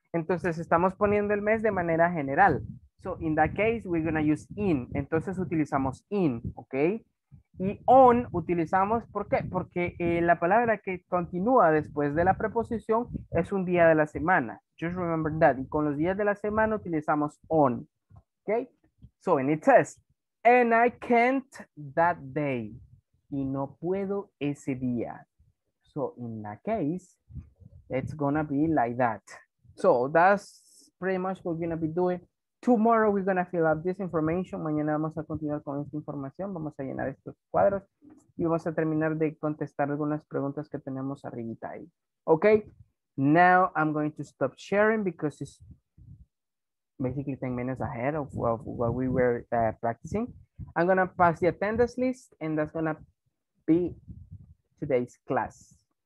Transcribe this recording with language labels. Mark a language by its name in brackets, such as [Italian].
[Spanish] Entonces, estamos poniendo el mes de manera general. [English] So, in that case, we're going to use in. [Spanish] Entonces, utilizamos in, okay? Y on utilizamos, ¿por qué? Porque la palabra que continúa después de la preposición es un día de la semana. [English] Just remember that. [Spanish] Y con los días de la semana utilizamos on, okay? [English] So, and it says... And I can't that day. [Spanish] Y no puedo ese día. [English] So in that case, it's gonna be like that. So that's pretty much what we're gonna be doing. Tomorrow we're gonna fill up this information. [Spanish] Mañana vamos a continuar con esta información. Vamos a llenar estos cuadros. Y vamos a terminar de contestar algunas preguntas que tenemos arribita ahí. [English] Okay. Now I'm going to stop sharing because it's... basically 10 minutes ahead of what we were practicing. I'm gonna pass the attendance list and that's gonna be today's class.